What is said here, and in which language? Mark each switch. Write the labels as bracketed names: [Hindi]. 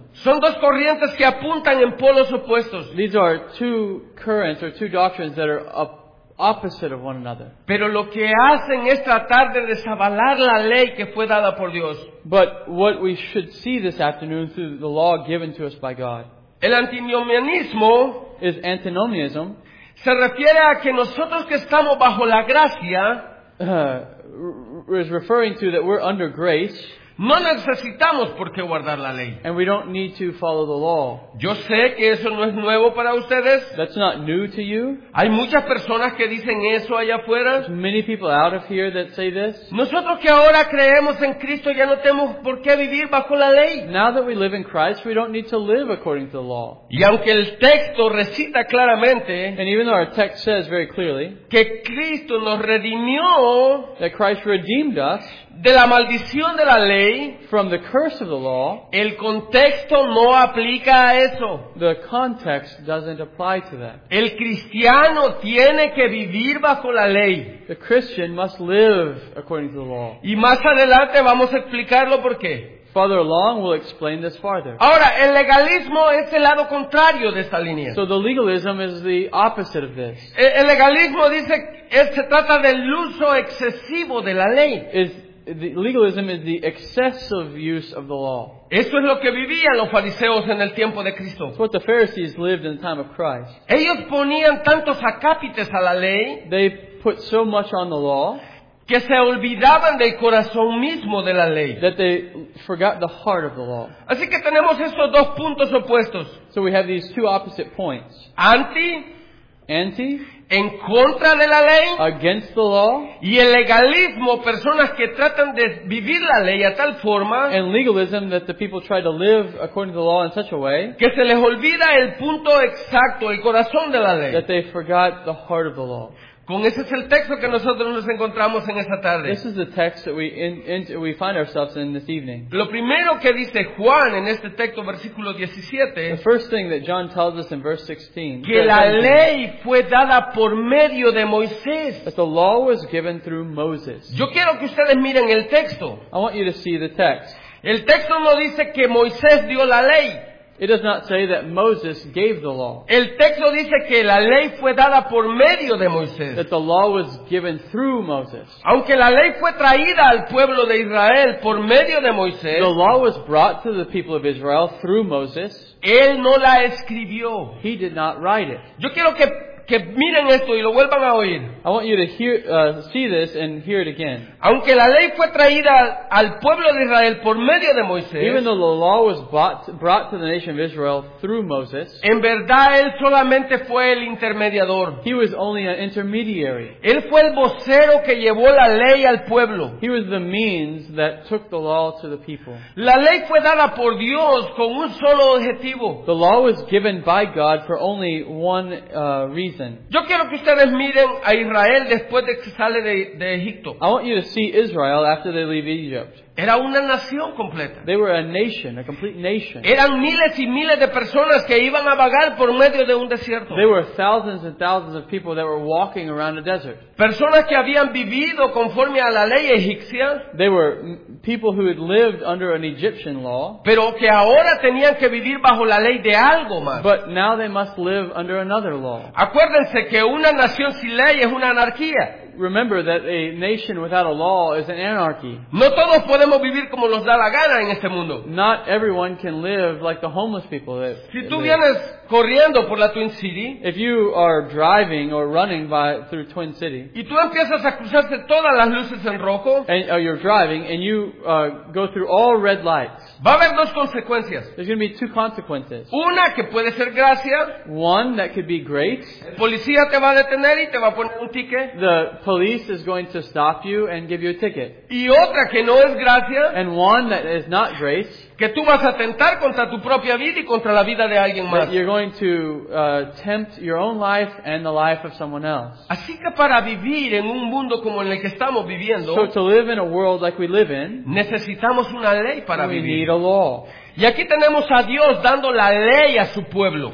[Spanish] Son dos corrientes que apuntan en polos opuestos. [English] These are two currents or two doctrines that are opposite of one another. [Spanish] Pero lo que hacen es tratar de desavalar la ley que fue dada por Dios. [English] But what we should see this afternoon through the law given to us by God. [Spanish] El antinomianismo [English] is antinomianism. [Spanish] Se refiere a que nosotros que estamos bajo la gracia [English] is referring to that we're under grace. [Spanish] No necesitamos por qué guardar la ley. [English] And we don't need to follow the law. [Spanish] Yo sé que eso no es nuevo para ustedes. [English] That's not new to you. [Spanish] Hay muchas personas que dicen eso allá afuera. [English] There's many people out of here that say this. [Spanish] Nosotros que ahora creemos en Cristo ya no tenemos por qué vivir bajo la ley. [English] Now that we live in Christ, we don't need to live according to the law. [Spanish] Y aunque el texto recita claramente, [English] and even though our text says very clearly, [Spanish] que Cristo nos redimió, [English] that Christ redeemed us, [Spanish] de la maldición de la ley, [English] from the curse of the law, [Spanish] el contexto no aplica a eso. [English] The context doesn't apply to that. [Spanish] El cristiano tiene que vivir bajo la ley. [English] The Christian must live according to the law. [Spanish] Y más adelante vamos a explicarlo por qué. [English] Further along, we'll explain this farther. [Spanish] Ahora, el legalismo es el lado contrario de esta línea. [English] So the legalism is the opposite of this. [Spanish] El legalismo dice que se trata del uso excesivo de la ley. [English] The legalism is the excessive use of the law. [Spanish] Eso es lo que vivían los fariseos en el tiempo de Cristo. [English] It's what the Pharisees lived in the time of Christ. [Spanish] Ellos ponían tantos acápites a la ley. [English] They put so much on the law. [Spanish] Que se olvidaban del corazón mismo de la ley. [English] That they forgot the heart of the law. [Spanish] Así que tenemos estos dos puntos opuestos. [English] So we have these two opposite points. [Spanish] Anti. En contra de la ley. [English] Against the law. [Spanish] Y el legalismo, personas que tratan de vivir la ley a tal forma. [English] And legalism, that the people try to live according to the law in such a way. [Spanish] Que se les olvida el punto exacto, el corazón de la ley. [English] That they forgot the heart of the law. [Spanish] Con ese es el texto que nosotros nos encontramos en esta tarde. [English] This is the text that we find ourselves in this evening. [Spanish] Lo primero que dice Juan en este texto, versículo 17. [English] The first thing that John tells us in verse 16. [Spanish] Que la ley fue dada por medio de Moisés. [English] That the law was given through Moses. [Spanish] Yo quiero que ustedes miren el texto. [English] I want you to see the text. [Spanish] El texto no dice que Moisés dio la ley. [English] It does not say that Moses gave the law. [Spanish] El texto dice que la ley fue dada por medio de Moisés. [English] That the law was given through Moses. [Spanish] Aunque la ley fue traída al pueblo de Israel por medio de Moisés. [English] The law was brought to the people of Israel through Moses. [Spanish] Él no la escribió. [English] He did not write it. [Spanish] Yo quiero que miren esto y lo vuelvan a oír. [English] I want you to see this and hear it again. [Spanish] Aunque la ley fue traída al pueblo de Israel por medio de Moisés. [English] Even though the law was brought to the nation of Israel through Moses. [Spanish] En verdad él solamente fue el intermediador. [English] He was only an intermediary. [Spanish] Él fue el vocero que llevó la ley al pueblo. [English] He was the means that took the law to the people. [Spanish] La ley fue dada por Dios con un solo objetivo. [English] The law was given by God for only one reason. [Spanish] Yo quiero que ustedes miren a Israel después de que sale de Egipto. [English] I want you to see Israel after they leave Egypt. [Spanish] Era una nación completa. [English] They were a nation, a complete nation. [Spanish] Eran miles y miles de personas que iban a vagar por medio de un desierto. [English] There were thousands and thousands of people that were walking around a desert. [Spanish] Personas que habían vivido conforme a la ley egipcia. [English] They were people who had lived under an Egyptian law. [Spanish] Pero que ahora tenían que vivir bajo la ley de algo más. [English] But now they must live under another law. [Spanish] Acuérdense que una nación sin ley es una anarquía. [English] Remember that a nation without a law is an anarchy. [Spanish] No todos podemos vivir como nos da la gana en este mundo. [English] Not everyone can live like the homeless people that [Spanish] si tú vienes corriendo por la Twin City, [English] if you are driving or running by through Twin City, [Spanish] y tú empiezas a cruzarse todas las luces en rojo, [English] and you're driving and you go through all red lights, [Spanish] va a haber dos consecuencias. [English] There's going to be two consequences. [Spanish] Una que puede ser gracia. [English] One that could be great. [Spanish] El policía te va a detener y te va a poner un ticket. [English] The police is going to stop you and give you a ticket. [Spanish] Y otra que no es gracia. [English] And one that is not grace. [Spanish] Que tú vas a tentar contra tu propia vida y contra la vida de alguien más. [English] You're going to tempt your own life and the life of someone else. [Spanish] Así que para vivir en un mundo como en el que estamos viviendo, [English] so to live in a world like we live in, [Spanish] necesitamos una ley para [English] we [Spanish] vivir. [English] Need a law. [Spanish] Y aquí tenemos a Dios dando la ley a su pueblo.